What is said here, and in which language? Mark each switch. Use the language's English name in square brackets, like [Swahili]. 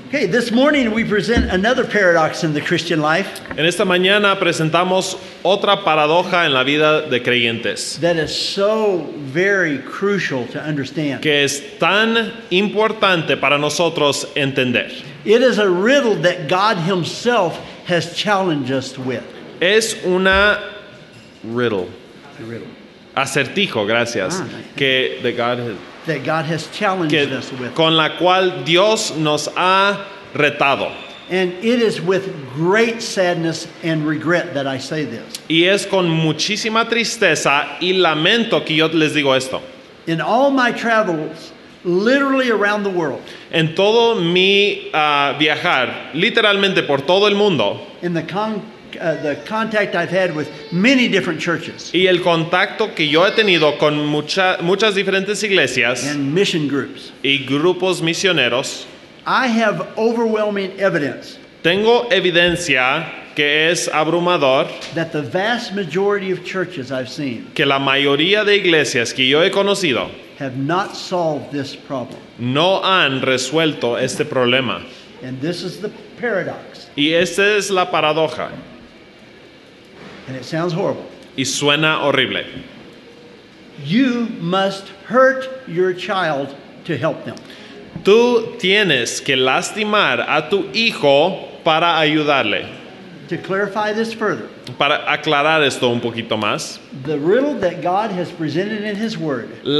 [English] Hey, this morning we present another paradox in the Christian life. [Spanish] En esta mañana presentamos otra paradoja en la vida de creyentes. [English] That is so very crucial to understand. [Spanish] Que es tan importante para nosotros entender. [English] It is a riddle that God Himself has challenged us with. [Spanish] Es una riddle. [English] A riddle. [Spanish] Acertijo, gracias. [English] Ah, nice. [Spanish] Que de [English] God has. That God has challenged us with. [Spanish] Con la cual Dios nos ha retado. [English] And it is with great sadness and regret that I say this. [Spanish] Y es con muchísima tristeza y lamento que yo les digo esto. [English] In all my travels, literally around the world. [Spanish] En todo mi viajar, literalmente por todo el mundo. [English] In the contact I've had with many different churches. [Spanish] Y el contacto que yo he tenido con muchas diferentes iglesias. [English] And mission groups. [Spanish] Y grupos misioneros. [English] I have overwhelming evidence. [Spanish] Tengo evidencia que es abrumador. [English] That the vast majority of churches I've seen. [Spanish] Que la mayoría de iglesias que yo he conocido. [English] Have not solved this problem. [Spanish] No han resuelto este problema. [English] And this is the paradox. [Spanish] Y esta es la paradoja. [English] And it sounds horrible. [Spanish] Y suena horrible. [English] You must hurt your child to help them. [Spanish] Tú tienes que lastimar a tu hijo para ayudarle. [English] To clarify this further. [Spanish] Para aclarar esto un poquito más. [English] The riddle that God has presented in His Word.